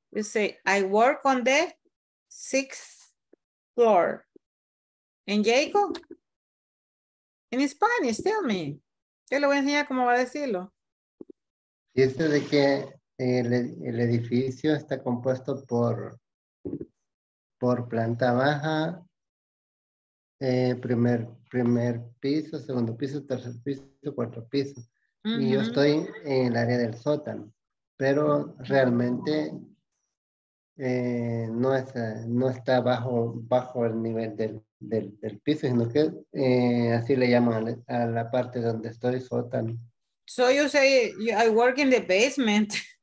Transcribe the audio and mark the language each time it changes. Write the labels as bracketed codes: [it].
[en] You say, I work on the sixth floor. ¿En Jacob? En Spanish, tell me. [es] Yo le voy a enseñar cómo va a decirlo. Y este de que... El edificio está compuesto por planta baja, primer piso, segundo piso, tercer piso, cuarto piso. Uh-huh. Y yo estoy en el área del sótano. Pero realmente no está bajo el nivel del piso, sino que así le llaman a la parte donde estoy, sótano. [en] So you say I work in the basement.